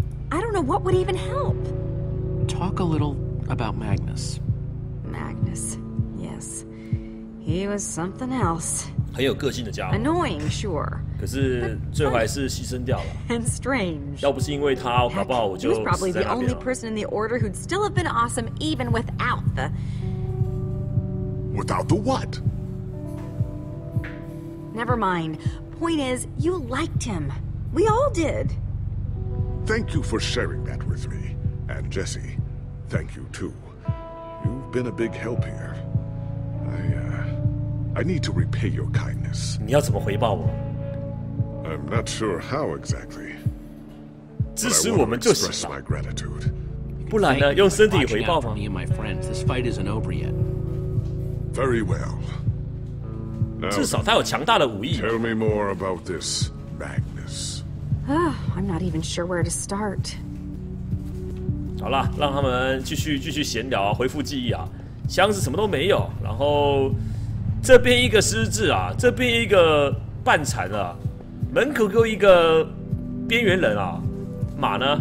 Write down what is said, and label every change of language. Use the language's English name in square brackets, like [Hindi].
[English] I don't know what would even help. Talk a little about Magnus. Magnus, yes. He was something else. [Chinese] 很有个性的家伙。 [English] Annoying, sure. [Chinese] 可是最后还是牺牲掉了。 [English] And strange. [Chinese] 要不是因为他，搞不好我就死在那边了。 [English] He was probably the only person in the order who'd still have been awesome even without the... Without the what? Never mind. Point is, you liked him. We all did. Thank you for sharing that with me. And Jesse, thank you too. You've been a big help here. I need to repay your kindness. [Chinese] 你要怎么回报我？ [English] I'm not sure how exactly. [Chinese] 支持我们就行了。 [English] express my gratitude. [Chinese] 不然呢？用身体回报吗？ [English] Me and my friends, this fight isn't over yet. Very well. [Chinese] Now, 至少他有强大的武艺。 [English] Tell me more about this, Magnus. Oh, I'm not even sure where to start. [Chinese] 好了，让他们继续闲聊，恢复记忆啊。箱子什么都没有，然后。这边一个失智啊，这边一个半残啊，门口又一个边缘人啊，马呢？